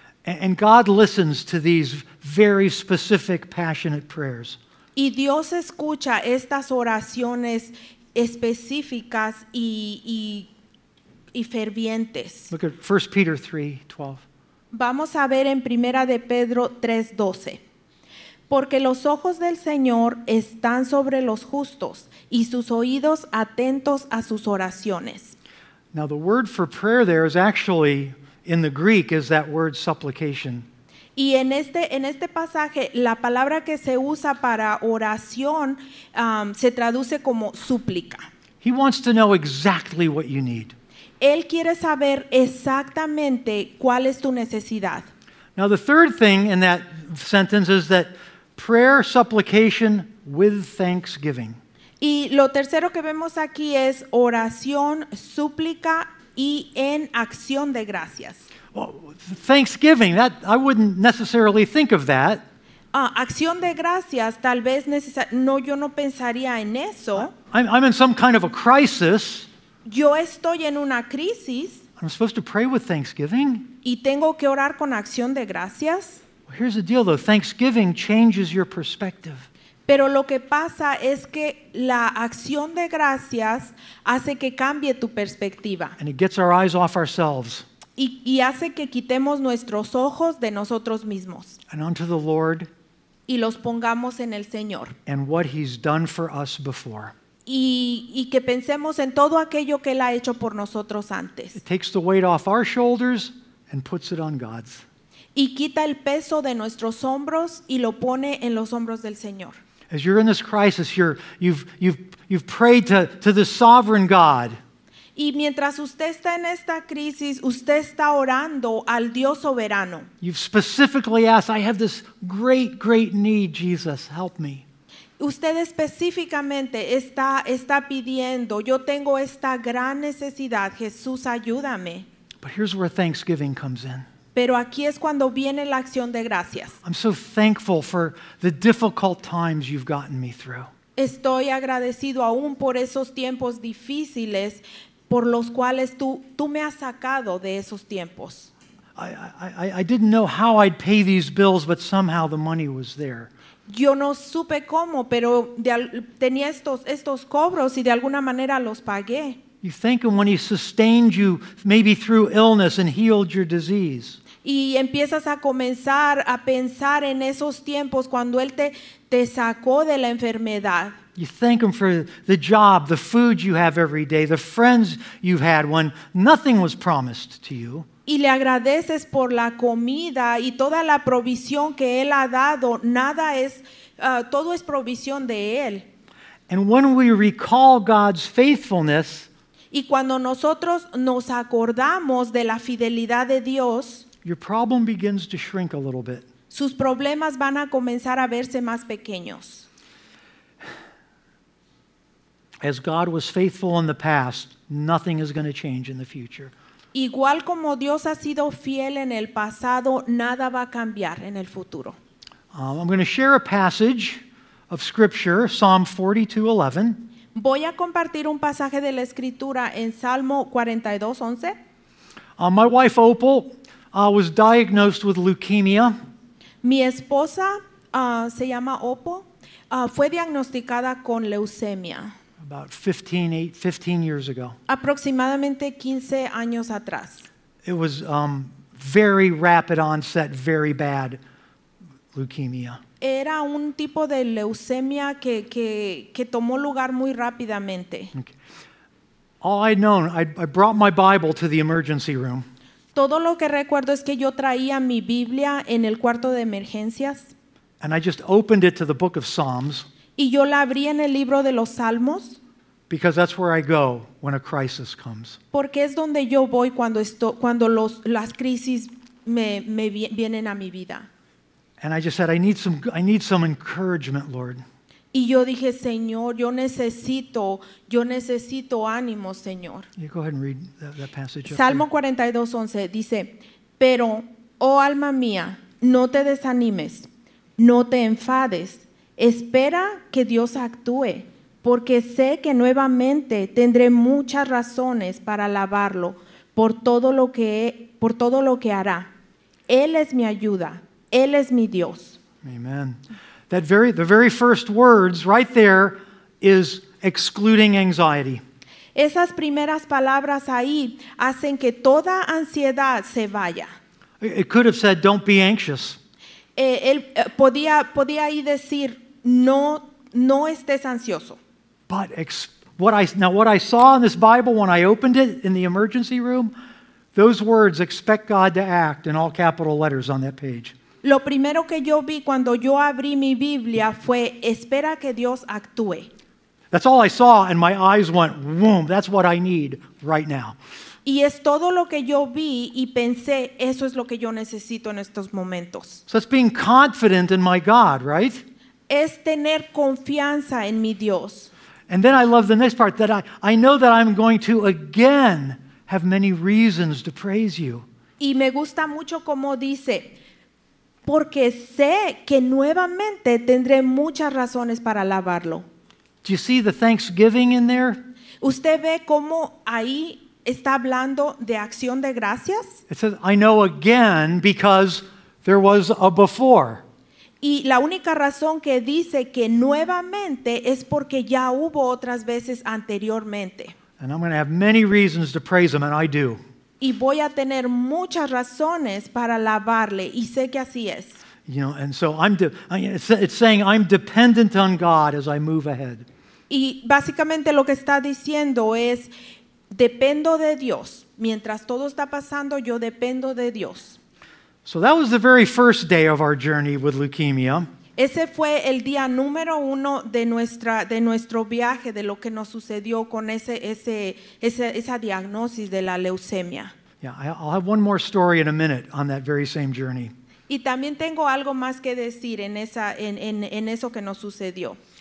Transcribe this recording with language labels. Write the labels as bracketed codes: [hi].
[en] And God listens to these very specific, passionate prayers. [es] Y Dios escucha estas oraciones específicas y fervientes. [en] Look at 1 Peter 3:12. [es] Vamos a ver en Primera de Pedro 3:12. Porque los ojos del Señor están sobre los justos y sus oídos atentos a sus oraciones. [en] Now the word for prayer there is actually in the Greek is that word supplication. [es] Y en este pasaje la palabra que se usa para oración se traduce como súplica. [en] He wants to know exactly what you need. [es] Él quiere saber exactamente cuál es tu necesidad. [en] Now the third thing in that sentence is that prayer supplication with thanksgiving. [es] Y lo tercero que vemos aquí es oración, súplica y en acción de gracias. [en] Well, thanksgiving, that I wouldn't necessarily think of that. [es] Acción de gracias, tal vez yo no pensaría en eso. [en] I'm in some kind of a crisis. [es] Yo estoy en una crisis. [en] I'm supposed to pray with thanksgiving. [es] Y tengo que orar con acción de gracias. [en] Well, here's the deal, though. Thanksgiving changes your perspective. [es] Pero lo que pasa es que la acción de gracias hace que cambie tu perspectiva. [en] And it gets our eyes off ourselves. [es] Y hace que quitemos nuestros ojos de nosotros mismos. [en] And onto the Lord. [es] Y los pongamos en el Señor. [en] And what he's done for us before. [es] Y que pensemos en todo aquello que Él ha hecho por nosotros antes. [en] It takes the weight off our shoulders and puts it on God's. [es] Y quita el peso de nuestros hombros y lo pone en los hombros del Señor. [en] As you're in this crisis, you've prayed to the sovereign God. [es] Y mientras usted está en esta crisis, usted está orando al Dios soberano. [en] You've specifically asked, I have this great, great need, Jesus, help me. [es] Usted específicamente está pidiendo, yo tengo esta gran necesidad, Jesús, ayúdame. [en] But here's where thanksgiving comes in. [es] Pero aquí es cuando viene la acción de gracias. [en] I'm so thankful for the difficult times you've gotten me through. [es] Estoy agradecido aún por esos tiempos difíciles por los cuales tú me has sacado de esos tiempos. [en] I didn't know how I'd pay these bills, but somehow the money was there. [es] Yo no supe cómo, pero tenía estos cobros y de alguna manera los pagué. [en] You thank him when he sustained you maybe through illness and healed your disease. [es] Y empiezas a comenzar a pensar en esos tiempos cuando él te sacó de la enfermedad. [en] You thank him for the job, the food you have every day, the friends you've had when nothing was promised to you. [es] Y le agradeces por la comida y toda la provisión que él ha dado. Nada es, todo es provisión de él. [en] And when we recall God's faithfulness, [es] y cuando nosotros nos acordamos de la fidelidad de Dios, [en] your problem begins to shrink a little bit. [es] Sus problemas van a comenzar a verse más pequeños. [en] As God was faithful in the past, nothing is going to change in the future. [es] Igual como Dios ha sido fiel en el pasado, nada va a cambiar en el futuro. [en] I'm going to share a passage of Scripture, Psalm 42:11. [es] Voy a compartir un pasaje de la Escritura en Salmo 42:11. [en] My wife Opal was diagnosed with leukemia. [es] Mi esposa se llama Opal, fue diagnosticada con leucemia. [en] About 15 years ago. [es] Aproximadamente 15 años atrás. [en] It was very rapid onset, very bad leukemia. [es] Era un tipo de leucemia que tomó lugar muy rápidamente. [en] Okay. All I'd known, I brought my Bible to the emergency room. [es] Todo lo que recuerdo es que yo traía mi Biblia en el cuarto de emergencias. [en] And I just opened it to the book of Psalms. [es] Y yo la abrí en el libro de los Salmos. [en] Because that's where I go when a crisis comes. [es] Porque es donde yo voy cuando las crisis me vienen a mi vida. [en] And I just said, I need some encouragement, Lord. [es] Y yo dije, Señor, yo necesito ánimo, Señor. [en] You go ahead and read that passage. [es] Salmo 42:11 dice, pero oh alma mía, no te desanimes, no te enfades, espera que Dios actúe. Porque sé que nuevamente tendré muchas razones para alabarlo por todo lo que hará. Él es mi ayuda. Él es mi Dios. [en] Amen. The very first words right there is excluding anxiety. [es] Esas primeras palabras ahí hacen que toda ansiedad se vaya. [en] It could have said, "Don't be anxious." [es] Él podía ahí decir, no estés ansioso. [en] But what I saw in this Bible when I opened it in the emergency room, those words, expect God to act, in all capital letters on that page. [es] Lo primero que yo vi cuando yo abrí mi Biblia fue, espera que Dios actúe. [en] That's all I saw, and my eyes went, boom, that's what I need right now. [es] Y es todo lo que yo vi y pensé, eso es lo que yo necesito en estos momentos. [en] So it's being confident in my God, right? [es] Es tener confianza en mi Dios. [en] And then I love the next part, that I know that I'm going to again have many reasons to praise you. [es] Y me gusta mucho como dice, porque sé que nuevamente tendré muchas razones para alabarlo. [en] Do you see the thanksgiving in there? [es] ¿Usted ve cómo ahí está hablando de acción de gracias? [en] It says, I know again because there was a before. [es] Y la única razón que dice que nuevamente es porque ya hubo otras veces anteriormente. [en] And I'm going to have many reasons to praise him, and I do. [es] Y voy a tener muchas razones para alabarle, y sé que así es. [en] You know, and so it's saying I'm dependent on God as I move ahead. [es] Y básicamente lo que está diciendo es dependo de Dios. Mientras todo está pasando, yo dependo de Dios. [en] So that was the very first day of our journey with leukemia. [es] Ese fue el día número uno de nuestro viaje, de lo que nos sucedió con esa diagnosis de la leucemia. [en] Yeah, I'll have one more story in a minute on that very same journey. [es] Y también tengo algo más que decir en eso que nos sucedió.